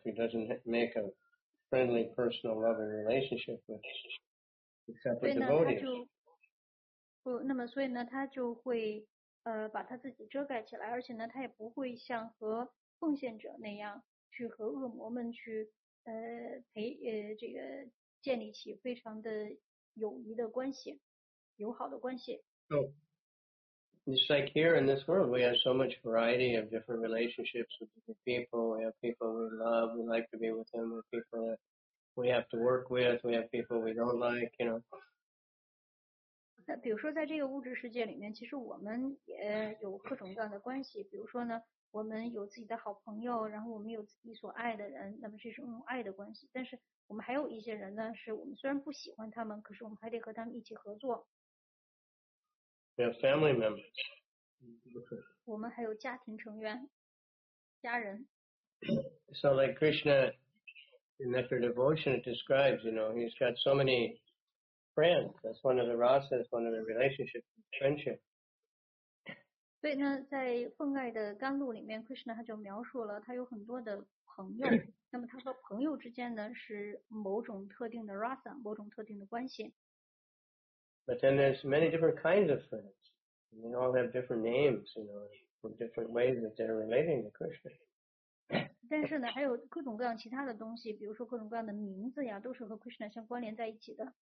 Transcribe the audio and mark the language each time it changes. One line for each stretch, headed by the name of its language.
English: He doesn't make a friendly, personal, loving relationship with It's like here in this world, we have so much variety of different relationships with different people. We have people we love, we like to be with them, we have people that we have to work with, we have people we don't like, you know.
Chinese: 那比如说在这个物质世界里面，其实我们也有各种各样的关系。比如说呢，我们有自己的好朋友，然后我们有自己所爱的人，那么这种爱的关系。但是我们还有一些人呢，是我们虽然不喜欢他们，可是我们还得和他们一起合作。
English: We have family members.
Chinese: 我们还有家庭成员，家人。
English: So like Krishna, in that devotion it describes, you know, he's got so many friends. That's one of the rasas, one of the relationships, friendship.
Chinese: 对呢，在奉爱的甘露里面 ，Krishna 他就描述了他有很多的朋友。那么他和朋友之间呢，是某种特定的 rasa, 某种特定的关系。
English: But then there's many different kinds of friends. And they all have different names, you know, for different ways that they're relating to Krishna.
Chinese: 但是呢，还有各种各样其他的东西，比如说各种各样的名字呀，都是和 Krishna 相关联在一起的。